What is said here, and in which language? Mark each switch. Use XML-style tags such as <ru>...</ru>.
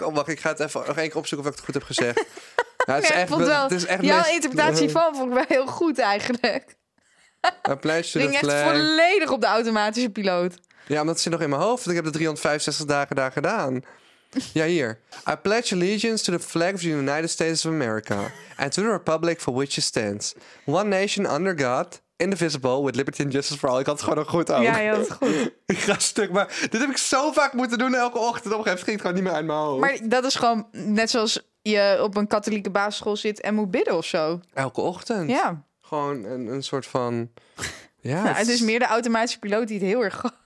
<nl>Oh, wacht, ik ga het even nog één keer opzoeken of ik het goed heb gezegd. Nou, jouw interpretatie van vond ik wel heel goed eigenlijk. Ik ging echt volledig op de automatische piloot. Ja, omdat het zit nog in mijn hoofd. Want ik heb de 365 dagen daar gedaan. Ja, hier.</nl> <en>I pledge allegiance to the flag of the United States of America. And to the republic for which it stands. One nation under God. Indivisible with Liberty and Justice for All.</en> <nl>Ik had het gewoon nog goed aan. Ja, je had het goed. Ik ga stuk, maar dit heb ik zo vaak moeten doen elke ochtend. Op een gegeven moment ging het gewoon niet meer uit mijn hoofd. Maar dat is gewoon net zoals je op een katholieke basisschool zit en moet bidden of zo. Elke ochtend? Ja. Gewoon een soort van... Ja, nou, het is meer de automatische piloot die het heel erg...</nl>